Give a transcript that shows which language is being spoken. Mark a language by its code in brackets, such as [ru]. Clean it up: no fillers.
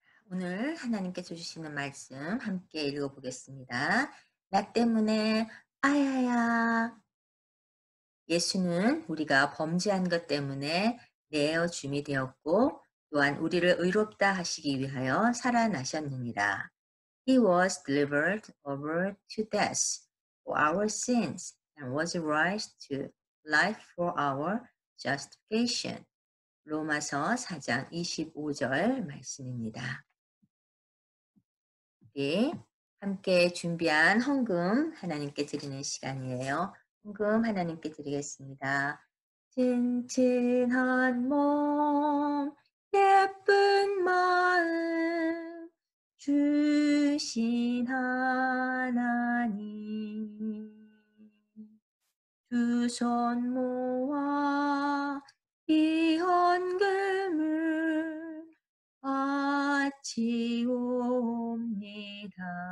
[ko] 오늘 하나님께서 주시는 말씀 함께 읽어보겠습니다. 나 때문에 아야야. 예수는 우리가 범죄한 것 때문에 내어줌이 되었고, 또한 우리를 의롭다 하시기 위하여 살아나셨느니라. [en] He was delivered over to death for our sins and was raised to life for our justification. [ko] 로마서 4장 25절 말씀입니다. 네, 함께 준비한 헌금 하나님께 드리는 시간이에요. 헌금 하나님께 드리겠습니다. 진실한 몸, 예쁜 마음, 주신 하나님, 두손 모아 이 헌금을 바치옵니다.